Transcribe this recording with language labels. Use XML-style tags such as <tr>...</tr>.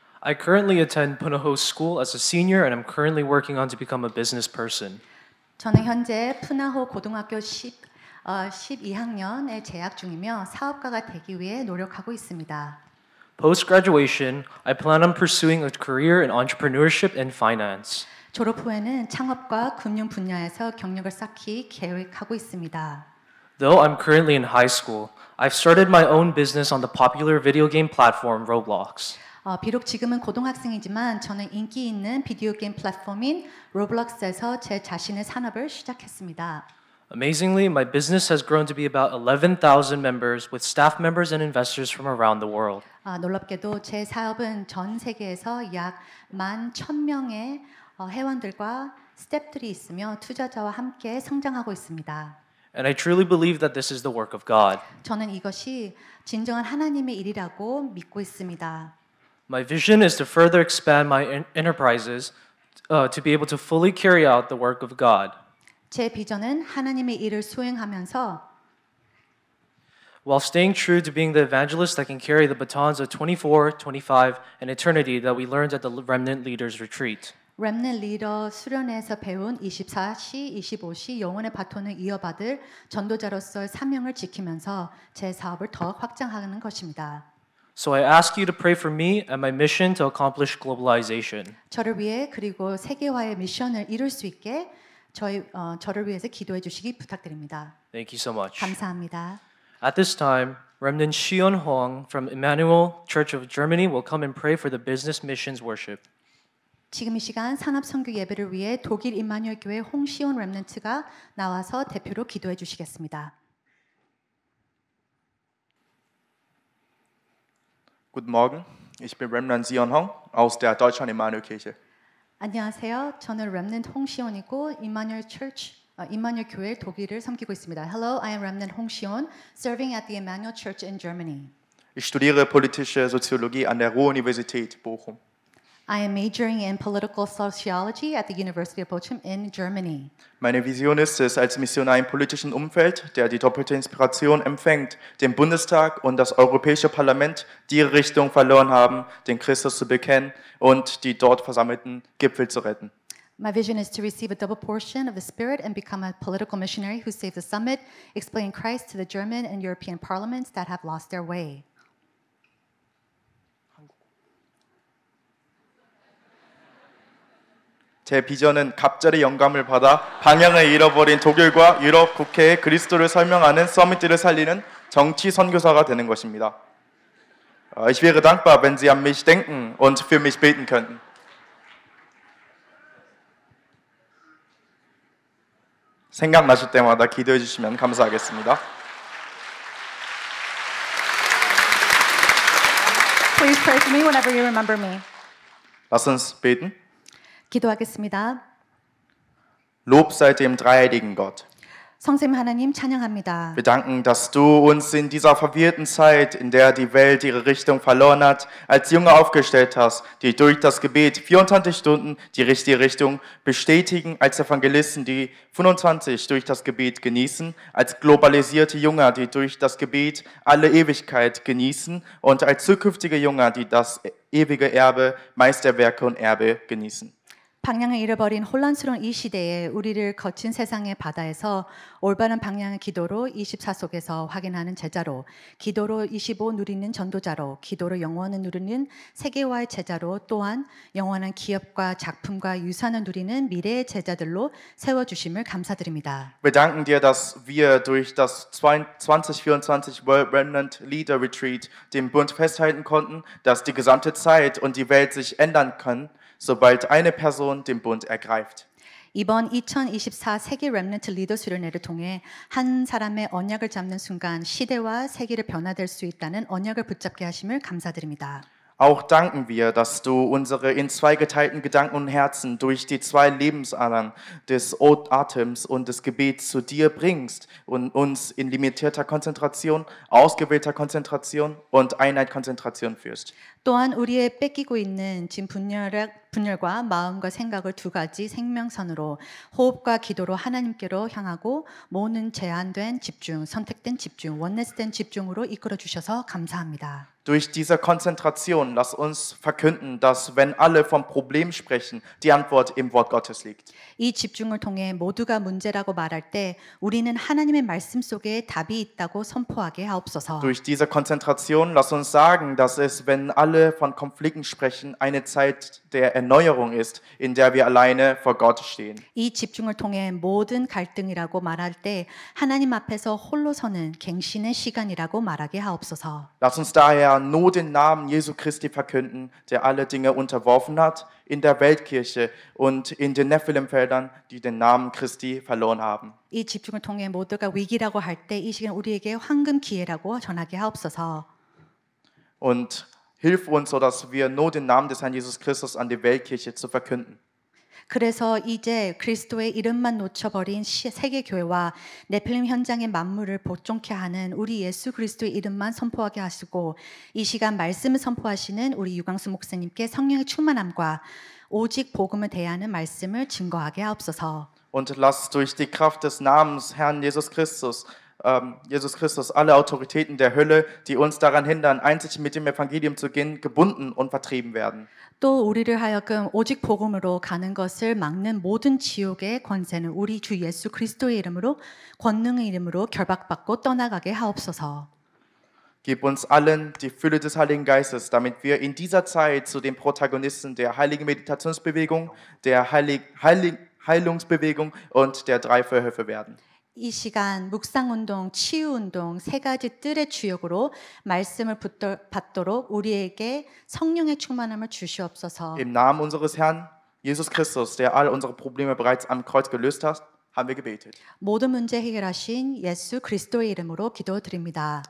<en>I currently attend Punahou School as a senior and I'm currently working on to become a business person.</en> <ko>저는 현재 푸나호 고등학교 12학년에 재학 중이며 사업가가 되기 위해 노력하고 있습니다.</ko> <en>Post graduation, I plan on pursuing a career in entrepreneurship and finance.</en> <ko>졸업 후에는 창업과 금융 분야에서 경력을 쌓기 계획하고 있습니다.</ko> <en>Though I'm currently in high school, I've started my own business on the popular video game platform Roblox.</en> <ko>비록 지금은 고등학생이지만 저는 인기 있는 비디오 게임 플랫폼인 로블록스에서 제 자신의 산업을 시작했습니다.</ko> <en>Amazingly, my business has grown to be about 11,000 members with staff members and investors from around the world.</en> <ko>놀랍게도 제 사업은 전 세계에서 약 11,000명의 회원들과 스태프들이 있으며 투자자와 함께 성장하고 있습니다.</ko> <en>And I truly believe that this is the work of God.</en> <ko>저는 이것이 진정한 하나님의 일이라고 믿고 있습니다.</ko> <en>My vision is to further expand my enterprises to be able to fully carry out the work of God.</en> <ko>제 비전은 하나님의 일을 수행하면서</ko> <en>while staying true to being the evangelist that can carry the batons of 24, 25 and eternity that we learned at the Remnant Leaders Retreat.</en> <ko>Remnant Leader 수련회에서 배운 24시, 25시 영혼의 바톤을 이어받을 전도자로서의 사명을 지키면서 제 사업을 더 확장하는 것입니다.</ko> <en>So I ask you to pray for me and my mission to accomplish globalization.</en> <ko>저를 위해 그리고 세계화의 미션을 이룰 수 있게 저를 위해서 기도해 주시기 부탁드립니다.</ko> <en>Thank you so much.</en> <ko>감사합니다.</ko> <en>At this time, Remnant Shion Hong from Emmanuel Church of Germany will come and pray for the business missions worship.</en> <ko>지금 이 시간 산업 선교 예배를 위해 독일 임마뉴엘 교회 홍시온 렘넌트가 나와서 대표로 기도해 주시겠습니다.</ko> <de>Guten Morgen. Ich bin Remnant Shion Hong aus der Deutschen Emmanuel Kirche.</de> <ko>안녕하세요. 저는 Remnant 홍시온이고 Emmanuel Church, 임마뉴엘 교회 독일을 섬기고 있습니다.</ko> <en>Hello, I am Remnant 홍시온, serving at the Emmanuel Church in Germany.</en> <de>Ich studiere politische Soziologie an der Ruhr-Universität Bochum.</de> <en>I am majoring in political sociology at the University of Bochum in Germany.</en> <de>Meine Vision ist es, als Missionar im politischen Umfeld, der die doppelte Inspiration empfängt, den Bundestag und das Europäische Parlament, die ihre Richtung verloren haben, den Christus zu bekennen und die dort versammelten Gipfel zu retten.</de> <en>My vision is to receive a double portion of the Spirit and become a political missionary who saved the summit, explaining Christ to the German and European parliaments that have lost their way.</en> <ko>제 비전은 갑자기 영감을 받아 방향을 잃어버린 독일과 유럽 국회에 그리스도를 설명하는 서밋들을 살리는 정치 선교사가 되는 것입니다.</ko> <de>Ich wäre dankbar, wenn Sie an mich denken und für mich beten könnten.</de> <ko>생각나실 때마다 기도해 주시면 감사하겠습니다.</ko> <en>Please pray for me whenever you remember me.</en> <de>Lass uns beten.</de> <ko>기도하겠습니다.</ko> <de>Lob sei dem dreieinigen Gott.</de> <ko>성삼위 하나님 찬양합니다.</ko> <de>Wir danken, dass du uns in dieser verwirrten Zeit, in der die Welt ihre Richtung verloren hat, als Junge aufgestellt hast, die durch das Gebet 24 Stunden die richtige Richtung bestätigen, als Evangelisten, die 25 durch das Gebet genießen, als globalisierte Junge, die durch das Gebet alle Ewigkeit genießen und als zukünftige Junge, die das ewige Erbe, Meisterwerke und Erbe genießen.</de> <ko>방향을 잃어버린 혼란스러운 이 시대에 우리를 거친 세상의 바다에서 올바른 방향의 기도로 24 속에서 확인하는 제자로 기도로 25 누리는 전도자로 기도로 영원을 누리는 세계화의 제자로 또한 영원한 기업과 작품과 유산을 누리는 미래의 제자들로 세워주심을 감사드립니다.</ko> <de>Wir danken dir, dass wir durch das 2024 World Remnant Leader Retreat den Bund festhalten konnten, dass die gesamte Zeit und die Welt sich ändern können. Sobald eine Person den Bund ergreift.</de> <ko>이번 2024 세계 렘넌트 리더 수련회를 통해 한 사람의 언약을 잡는 순간 시대와 세계를 변화될 수 있다는 언약을 붙잡게 하심을 감사드립니다.</ko> <de>Auch danken wir, dass du unsere in zwei geteilten Gedanken und Herzen durch die zwei Lebensadern des Atems und des Gebets zu dir bringst und uns in limitierter Konzentration, ausgewählter Konzentration und Einheit Konzentration führst.</de> <ko>또한 우리의 뺏기고 있는 지금 분열과 마음과 생각을 두 가지 생명선으로 호흡과 기도로 하나님께로 향하고 모든 제한된 집중, 선택된 집중, 원내스된 집중으로 이끌어 주셔서 감사합니다.</ko> <de>Durch diese Konzentration lass uns verkünden, dass wenn alle vom Problem sprechen, die Antwort im Wort Gottes liegt.</de> <ko>이 집중을 통해 모두가 문제라고 말할 때 우리는 하나님의 말씀 속에 답이 있다고 선포하게 하옵소서.</ko> <de>Durch diese Konzentration lass uns sagen, dass es wenn alle von Konflikten sprechen, eine Zeit der Erneuerung ist, in der wir alleine vor Gott stehen.</de> <ko>이 집중을 통해 모든 갈등이라고 말할 때 하나님 앞에서 홀로 서는 갱신의 시간이라고 말하게 하옵소서.</ko> <de>Lass uns daher nur den Namen Jesu Christi verkünden, der alle Dinge unterworfen hat, in der Weltkirche und in den Nephilim-Feldern, die den Namen Christi verloren haben.</de> <ko>이 집중을 통해 모두가 위기라고 할 때 이 시간 우리에게 황금 기회라고 전하게 하옵소서.</ko> <de>Und hilf uns, so dass wir nur den Namen des Herrn Jesus Christus an die Weltkirche zu verkünden.</de> <ko>그래서 이제 그리스도의 이름만 놓쳐버린 세계교회와 네필림 현장의 만물을 복종케 하는 우리 예수 그리스도의 이름만 선포하게 하시고 이 시간 말씀을 선포하시는 우리 유광수 목사님께 성령의 충만함과 오직 복음을 대하는 말씀을 증거하게 하옵소서.</ko> <de>Und lass durch die Kraft des Namens Herrn Jesus Christus Jesus Christus alle Autoritäten der Hölle, die uns daran hindern, einzig mit dem Evangelium zu gehen, gebunden und vertrieben werden.</de> <ko>또 우리를 하여금 오직 복음으로 가는 것을 막는 모든 지옥의 권세는 우리 주 예수 그리스도의 이름으로 권능의 이름으로 결박받고 떠나가게 하옵소서.</ko> <de>Gib uns allen die Fülle des Heiligen Geistes, damit wir in dieser Zeit zu den Protagonisten der heiligen Meditationsbewegung, der Heilungsbewegung und der drei Vorhöfe werden.</de> <ko>이 시간 묵상 운동, 치유 운동 세 가지 뜰의 주역으로 말씀을 받도록 우리에게 성령의 충만함을 주시옵소서.</ko> <de>Im Namen unseres Herrn Jesus Christus, der all unsere Probleme bereits am Kreuz gelöst hat, haben wir gebetet.</de> <ko>모든 문제 해결하신 예수 그리스도의 이름으로 기도드립니다.</ko>